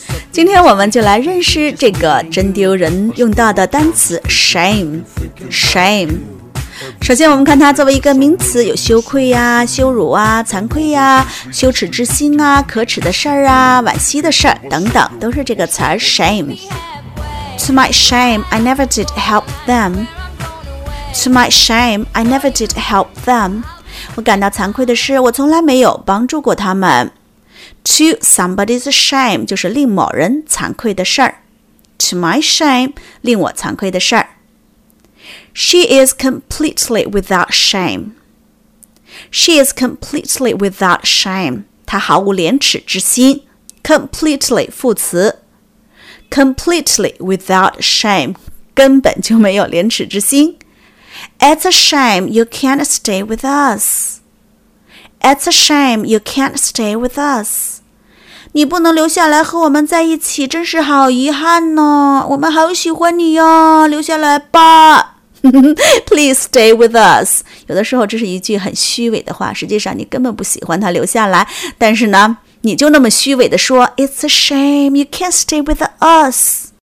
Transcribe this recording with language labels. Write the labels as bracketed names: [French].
[Chinese] 今天我们就来认识这个真丢人用到的单词 shame， shame。首先我们看它作为一个名词，有羞愧啊、羞辱啊、惭愧啊、羞耻之心啊、可耻的事儿啊、惋惜的事儿等等，都是这个词 shame。 [English] To my shame, I never did help them. To my shame, I never did help them. [Chinese] 我感到惭愧的是，我从来没有帮助过他们。 [English] To somebody's shame [Chinese] 就是令某人惭愧的事儿。 [English] To my shame, [Chinese] 令我惭愧的事儿。 [English] She is completely without shame. She is completely without shame. [Chinese] 她毫无廉耻之心。 Completely 副词。 [English] Completely without shame, [Chinese] 根本就没有廉耻之心。 [English] It's a shame you can't stay with us. It's a shame you can't stay with us. [Chinese] 你不能留下来和我们在一起，真是好遗憾呢。我们好喜欢你哟，留下来吧。 [English] Please stay with us. [Chinese] 有的时候这是一句很虚伪的话，实际上你根本不喜欢他留下来，但是呢你就那么虚伪地说 [English] It's a shame you can't stay with us.